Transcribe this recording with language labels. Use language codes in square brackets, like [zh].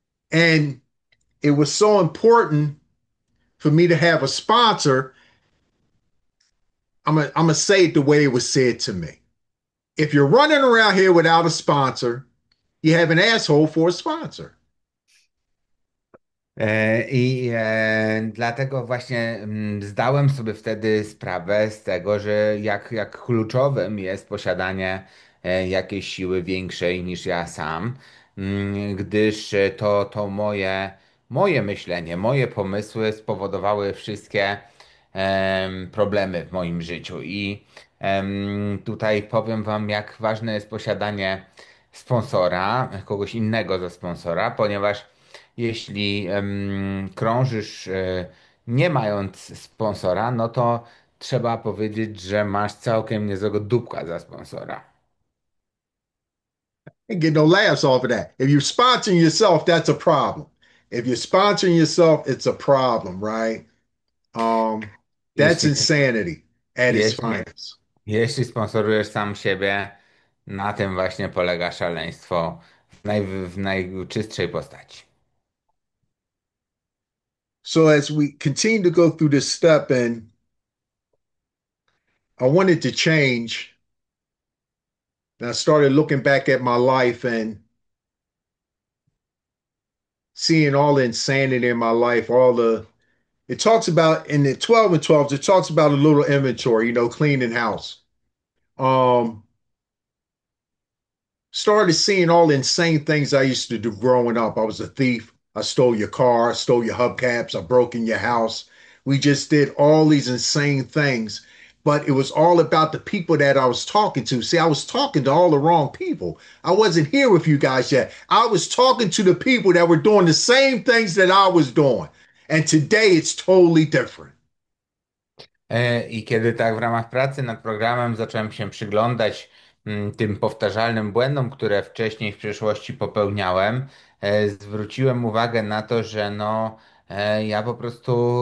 [en] And it was so important for me to have a sponsor. I'm gonna say it the way it was said to me. If you're running around here without a sponsor, you have an asshole for a sponsor. [pl] I dlatego właśnie zdałem sobie wtedy sprawę z tego, że jak kluczowym jest posiadanie jakiejś siły większej niż ja sam, gdyż to moje myślenie, moje pomysły spowodowały wszystkie problemy w moim życiu. I tutaj powiem wam, jak ważne jest posiadanie sponsora, kogoś innego za sponsora, ponieważ jeśli krążysz nie mając sponsora, no to trzeba powiedzieć, że masz całkiem niezłego dupka za sponsora. [en] And get no laughs off of that. If you're sponsoring yourself, that's a problem. If you're sponsoring yourself, it's a problem, right? That's insanity at its finest. [pl] Jeśli sponsorujesz sam siebie, na tym właśnie polega szaleństwo w najczystszej postaci. [en] So as we continue to go through this step, and I wanted to change. And I started looking back at my life and seeing all the insanity in my life, all the, it talks about in the 12 and 12s, it talks about a little inventory, cleaning house. Started seeing all the insane things I used to do growing up. I was a thief. I stole your car, I stole your hubcaps, I broke in your house. We just did all these insane things. But it was all about the people that I was talking to. See, I was talking to all the wrong people. I wasn't here with you guys yet. I was talking to the people that were doing the same things that I was doing. And today it's totally different. [pl] I kiedy tak w ramach pracy nad programem zacząłem się przyglądać tym powtarzalnym błędom, które wcześniej w przeszłości popełniałem, zwróciłem uwagę na to, że no ja po prostu